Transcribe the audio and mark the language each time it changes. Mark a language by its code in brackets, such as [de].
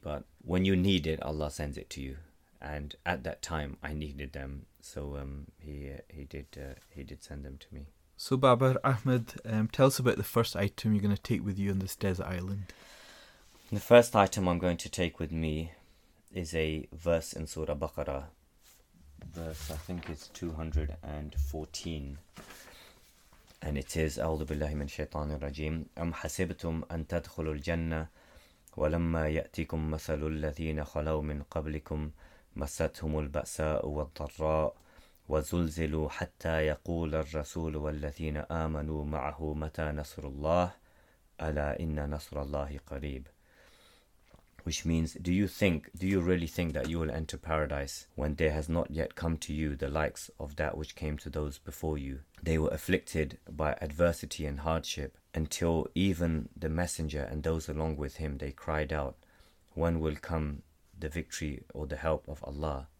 [en] But when you need it, Allah sends it to you. And at that time, I needed them, so he did send them to me. So, Babar, Ahmad, tell us about the first item you're going to take with you on this desert island. The first item I'm going to take with me is a verse in Surah Baqarah. Verse, I think, is 214. And it is, [ar] أعوذ بالله من الشيطان الرجيم أم حسبتم أن تدخلوا الجنة ولما يأتيكم مثل الذين خلوا من قبلكم مستهم البأساء والضراء وزلزلوا حتى يقول الرسول والذين آمنوا معه متى نصر الله ألا إن نصر الله قريب. [en] Which means, do you really think that you will enter paradise when there has not yet come to you the likes of that which came to those before you? They were afflicted by adversity and hardship until even the messenger and those along with him, they cried out, when will come the victory or the help of Allah?